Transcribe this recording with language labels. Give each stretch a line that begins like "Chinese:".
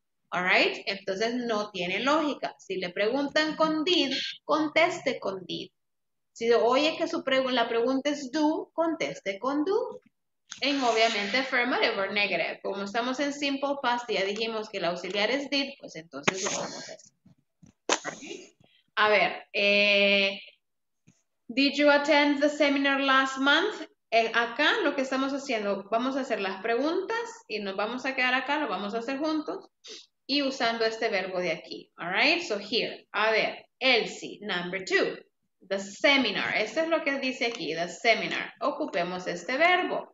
English: All right?
Spanish: Entonces, no tiene lógica. Si le preguntan con did, conteste con did. Si oye que su la pregunta es do, conteste con do. En obviamente
English: affirmative or negative.
Spanish: Como estamos en simple past, ya dijimos que el auxiliar es did, pues entonces lo vamos a hacer.
English: All right?
Spanish: A ver,
English: did you attend the seminar last month?
Spanish: Acá lo que estamos haciendo, vamos a hacer las preguntas y nos vamos a quedar acá, lo vamos a hacer juntos y usando este verbo de aquí.
English: All right, so here,
Spanish: a ver,
English: Elsie, number two, the seminar.
Spanish: Esto es lo que dice aquí, the seminar. Ocupemos este verbo.